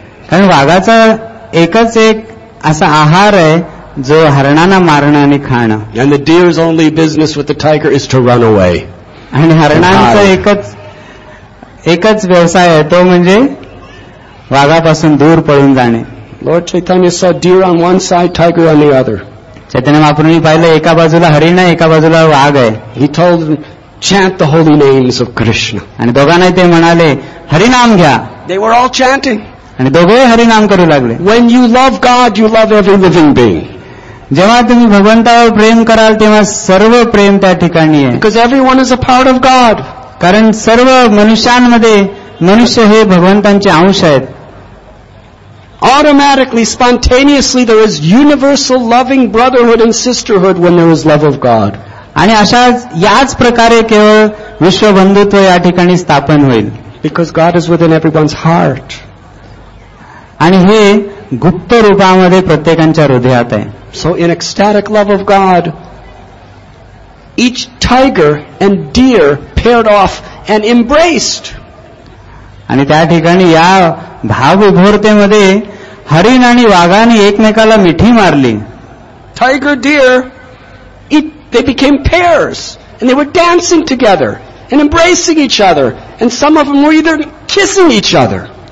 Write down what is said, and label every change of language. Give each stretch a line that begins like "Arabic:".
Marathi: कारण वाघाचा एकच एक असा आहार आहे जो हरणांना मारणं आणि खाणं.
English: And the deer's only business with the tiger is to run away.
Marathi: आणि हरणांचा एकच व्यवसाय आहे तो म्हणजे वाघापासून दूर पळून जाणे.
English: Lord Chaitanya saw deer on one side, tiger on the other.
Marathi: चैतन्य महाप्रभूंनी पाहिलं एका बाजूला हरिण आहे एका बाजूला वाघ आहे.
English: He told them, chant the holy names of Krishna.
Marathi: आणि दोघांनाही ते म्हणाले हरिनाम घ्या.
English: They were all chanting.
Marathi: आणि दोघेही हरिनाम करू लागले.
English: When you love God, you love every living being.
Marathi: जेव्हा तुम्ही भगवंतावर प्रेम कराल तेव्हा सर्व प्रेम त्या ठिकाणी आहे.
English: Because everyone is a part of God.
Marathi: कारण सर्व मनुष्यांमध्ये मनुष्य हे भगवंतांचे अंश आहेत.
English: Automatically, spontaneously, there is universal loving brotherhood and sisterhood when there is love of God.
Marathi: आणि अशा याच प्रकारे केवळ विश्वबंधुत्व या ठिकाणी स्थापन होईल.
English: Because God is within everyone's heart.
Marathi: आणि हे गुप्त रूपामध्ये प्रत्येकांच्या हृदयात आहे.
English: So in ecstatic love of God, each tiger and deer paired off and embraced.
Marathi: आणि त्या ठिकाणी या भाव उभोरतेमध्ये हरिण आणि वाघाने एकमेकाला मिठी मारली.
English: Tiger deer it they became pairs and they were dancing together and embracing each other and some of them were either kissing each other.